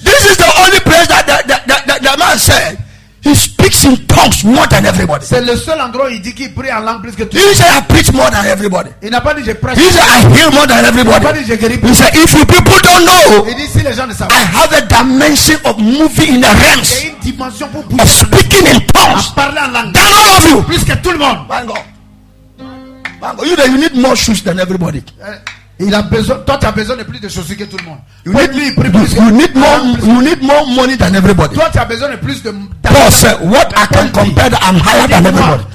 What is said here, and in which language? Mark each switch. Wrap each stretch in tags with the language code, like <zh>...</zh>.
<en>This is the only place that man said. He speaks in tongues more than everybody.</en> <fr>C'est le seul endroit où il dit qu'il prie en langue plus que tout.</fr> <en>He said I preach more than everybody.</en> <fr>Il n'a pas dit je prêche.</fr> <en>He said I heal more than everybody.</en> <fr>Il n'a pas dit je guéris.</fr> <en>He said if you people don't know,</en> <fr>il dit si les gens ne savent,</fr> <en>I have a dimension of moving in the realms.</en> <fr>Il y a une dimension pour bouger.</fr> <en>Speaking in tongues.</en> <fr>À parler en langue.</fr> <en>Than all of you.</en> <fr>Plus que tout le monde.</fr> <en>Bango. You need more shoes than everybody.</en> <fr>Il a besoin, toi tu as besoin de plus de choses que tout le monde.</fr> <en>You need, you need more money than everybody.</en> <fr>Toi tu as besoin de plus de</fr> <en>Because what I can compare that I'm higher than everybody.</en>